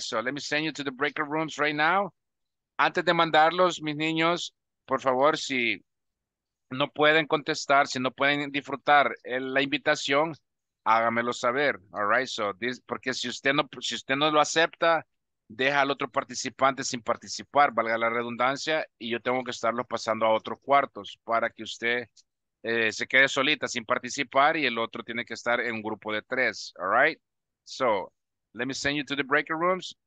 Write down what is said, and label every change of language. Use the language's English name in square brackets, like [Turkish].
[English] So let me send you to the breakout rooms right now. [Spanish] Antes de mandarlos, mis niños, por favor, si no pueden contestar, si no pueden disfrutar la invitación, hágamelo saber, [English] all right? So this, [Spanish] porque si usted no lo acepta, deja al otro participante sin participar, valga la redundancia, y yo tengo que estarlo pasando a otros cuartos para que usted se quede solita sin participar y el otro tiene que estar en un grupo de tres, [English] all right? So let me send you to the breakout rooms.